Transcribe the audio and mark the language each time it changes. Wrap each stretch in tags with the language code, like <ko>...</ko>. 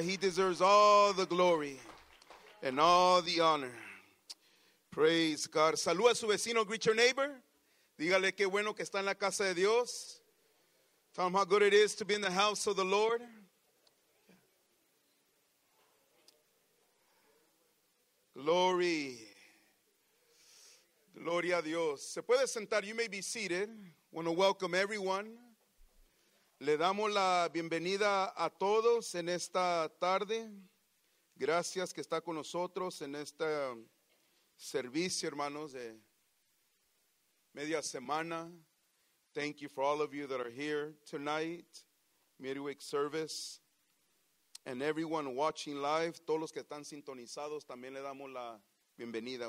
<en>He deserves all the glory and all the honor. Praise God. Saluda a su vecino. Greet your neighbor.</en> <es>Dígale qué bueno que está en la casa de Dios.</es> <en>Tell him how good it is to be in the house of the Lord.</en> <es>Glory. Gloria a Dios. Se puede sentar. You may be seated.</es> <en>I want to welcome everyone.</en> <es>Le damos la bienvenida a todos en esta tarde. Gracias que está con nosotros en este servicio, hermanos, de media semana.</es> <en>Thank you for all of you that are here tonight, midweek service, and everyone watching live.</en> <es>Todos los que están sintonizados, también le damos la bienvenida.</es>